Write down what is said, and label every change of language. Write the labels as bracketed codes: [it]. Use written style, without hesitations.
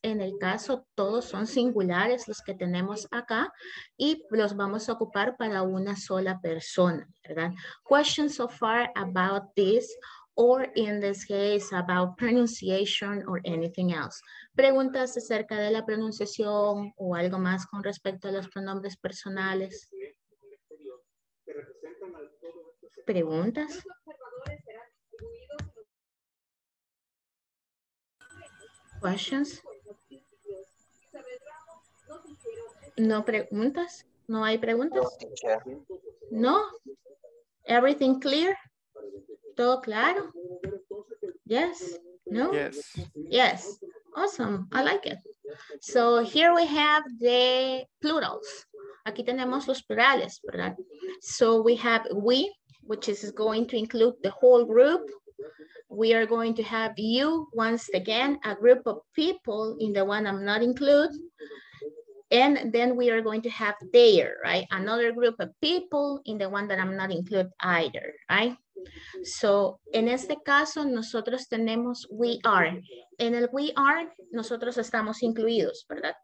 [es] En el caso, todos son singulares los que tenemos acá y los vamos a ocupar para una sola persona, ¿verdad? [en] Questions so far about this or in this case about pronunciation or anything else. [es] ¿Preguntas acerca de la pronunciación o algo más con respecto a los pronombres personales? ¿Preguntas? [en] Questions? [es] No preguntas? No hay preguntas? No? Everything clear? Todo claro? Yes? No? [en] Yes. Awesome. I like it. So here we have the plurals. [es] Aquí tenemos los plurales, ¿verdad? [en] So we have we, which is going to include the whole group. We are going to have you, once again, a group of people in the one I'm not included. And then we are going to have their, right? Another group of people in the one that I'm not included either, right? [es] So, en este caso, nosotros tenemos we are. En el we are, nosotros estamos incluidos, ¿verdad?